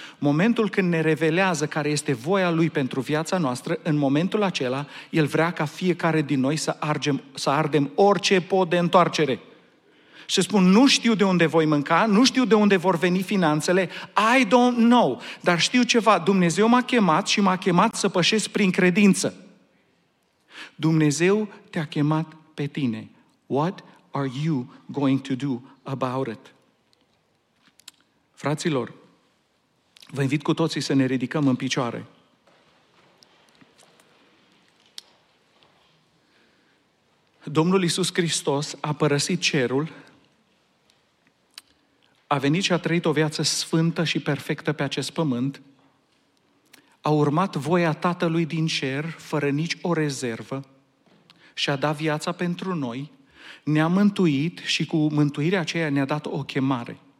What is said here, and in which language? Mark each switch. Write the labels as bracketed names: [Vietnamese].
[Romanian] Momentul când ne revelează care este voia Lui pentru viața noastră, în momentul acela, El vrea ca fiecare din noi să ardem orice pod de întoarcere. Și spun, nu știu de unde voi mânca, nu știu de unde vor veni finanțele, [English] I don't know, [Romanian] dar știu ceva, Dumnezeu m-a chemat și m-a chemat să pășesc prin credință. Dumnezeu te-a chemat pe tine. [English] What are you going to do about it? [Romanian] Fraților, vă invit cu toții să ne ridicăm în picioare. Domnul Iisus Hristos a părăsit cerul, a venit și a trăit o viață sfântă și perfectă pe acest pământ, a urmat voia Tatălui din cer, fără nici o rezervă, și a dat viața pentru noi, ne-a mântuit și cu mântuirea aceea ne-a dat o chemare.